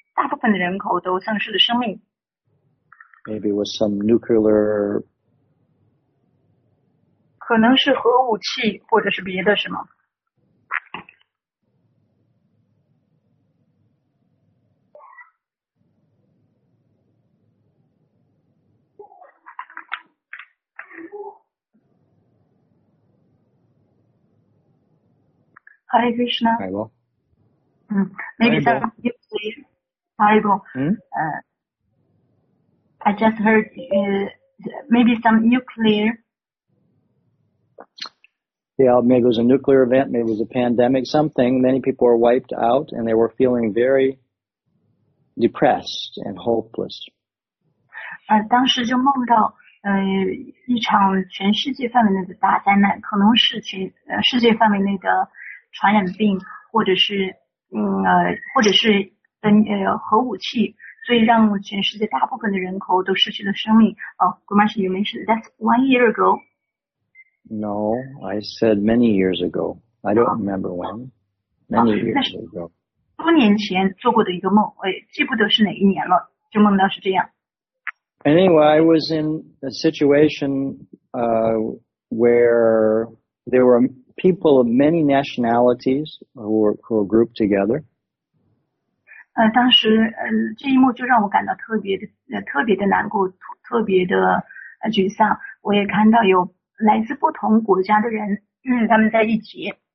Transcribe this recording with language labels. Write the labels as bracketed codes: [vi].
[zh] 大部分的人口都丧失了生命。 [en] Maybe it was some nuclear. [zh] 可能是核武器或者是别的什么。 [en] Hare Krishna. Hello. Maybe some nuclear. Sorry, Bo. I just heard maybe some nuclear. Yeah, maybe it was a nuclear event, maybe it was a pandemic, something. Many people were wiped out and they were feeling very depressed and hopeless. [zh] 当时就梦到一场全世界范围内的大灾难，可能是世界范围内的传染病，或者是或者是核武器，所以让全世界大部分的人口都失去了生命。 [en] Gumashi, you mentioned that's 1 year ago. No, I said many years ago. I don't remember when. Many years ago. [zh] 多年前做过的一个梦，我记不得是哪一年了，就梦到是这样。 [en] Anyway, I was in a situation where there were people of many nationalities who were grouped together. [zh] 当时这一幕就让我感到特别的难过，特别的沮丧。我也看到有来自不同国家的人，他们在一起。